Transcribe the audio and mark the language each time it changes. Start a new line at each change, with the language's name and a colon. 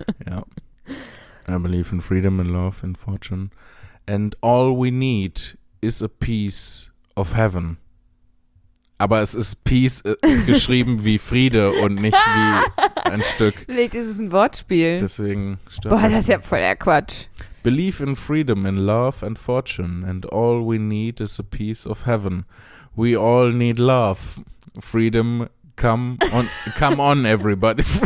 German: Ja.
English: I believe in freedom, in love and fortune. And all we need is a piece of heaven.
German: Aber es ist Peace geschrieben wie Friede und nicht wie ein Stück. Vielleicht ist es ein Wortspiel. Deswegen stört das. Boah, das ist ja voll der Quatsch.
English: Believe in freedom, in love and fortune, and all we need is a piece of heaven. We all need love. Freedom, come on, everybody.